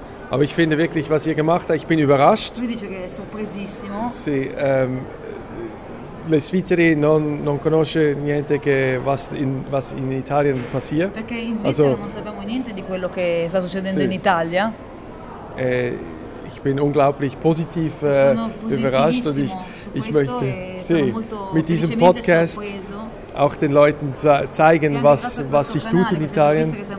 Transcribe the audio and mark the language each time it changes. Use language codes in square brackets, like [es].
[de] Aber ich finde wirklich, was ihr gemacht habt, ich bin überrascht. [it] Lui dice che è sorpresissimo. Sì, le Svizzeri non conosce niente che [de] was in Italia passiert. [it] Perché in Svizzera also, non sappiamo niente di quello che sta succedendo, sì. In Italia. [de] Ich bin unglaublich positiv überrascht und ich möchte [it] sì, [de] mit diesem Podcast [it] sorpreso. [de] Auch den Leuten zeigen, was sich tut in Italien.